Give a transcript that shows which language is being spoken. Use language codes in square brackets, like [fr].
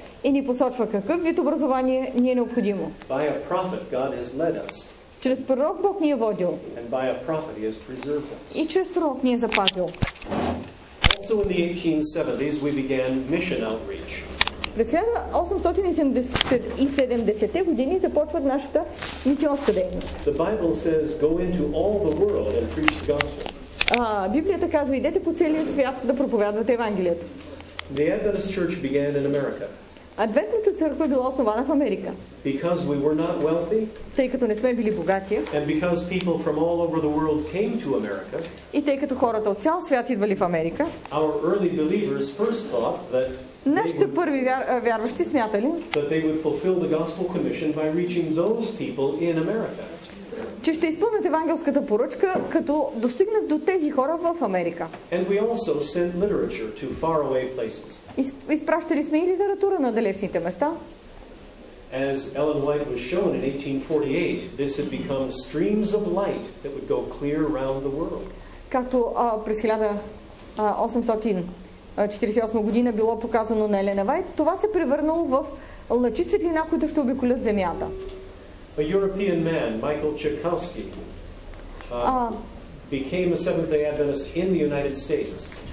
[bg] И ни посочва какъв вид образование ни е необходимо. [en] By a prophet, God has led us. [bg] Чрез пророк Бог ни е водил. [en] And by a prophet, he has preserved us. [bg] И чрез пророк ни е запазил. [en] Also in the 1870s we began mission outreach. [bg] През 1870-те години започват нашата мисионска дейност. [en] The Bible says go into all the world and preach the gospel. [bg] Библията казва, идете по целия свят да проповядвате Евангелието. [en] The Adventist Church began in America. [bg] Адвентната църква била основана в Америка. [en] Because we were not wealthy, [bg] тъй като не сме били богати. [en] And because people from all over the world came to America, [bg] и тъй като хората от цял свят идвали в Америка. [en] Our early believers first thought that [bg] нашите първи вярващи смятали, [en] that they would fulfill the gospel commission by reaching those people in America. [bg] Че ще изпълнят евангелската поръчка, като достигнат до тези хора в Америка. [en] And we also sent literature to far away places. [bg] Изпращали сме и литература на далечните места. [en] As Ellen White was shown in 1848, this had become streams of light that would go clear around the world. [bg] Както през 1848 година било показано на Елена Вайт, това се превърнало в лъчи светлина, които ще обиколят земята. [en] A European man, Michael Chekovsky, became a Seventh-day Adventist in the United States.